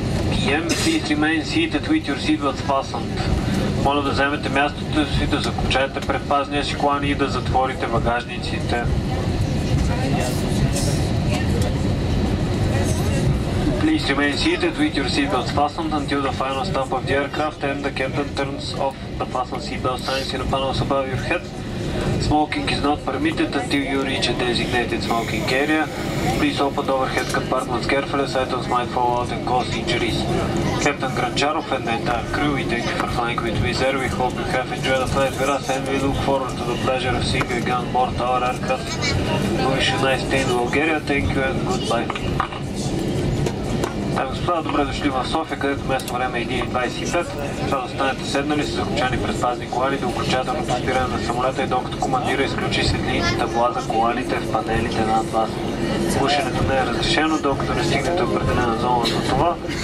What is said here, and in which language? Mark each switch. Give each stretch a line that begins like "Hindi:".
English: PM, please remain seated with your seatbelts fastened.
Bulgarian: Моля да вземете мястото си, да заключаете предпазния си колан и да затворите багажниците.
English: Please remain seated with your seatbelts fastened until the final stop of the aircraft and the captain turns off the fastened seatbelt signs in the panels above your head. Smoking is not permitted until you reach a designated smoking area. Please open overhead compartments carefully, so items might fall out and cause injuries. Captain Grancharov and the entire crew, we thank you for flying with Wizz Air. We hope you have enjoyed the flight with us and we look forward to the pleasure of seeing you again on board our aircraft. We wish you a nice day in Bulgaria. Thank you and goodbye.
Bulgarian: Господа, добре дошли в София, където местно време е 1.25. Това да останете седнали с заключани предпазни колани до окончателното спиране на самолета и докато командира изключи светлините табла за коланите в панелите над вас. Слушането не е разрешено, докато не стигнете определена зона за това.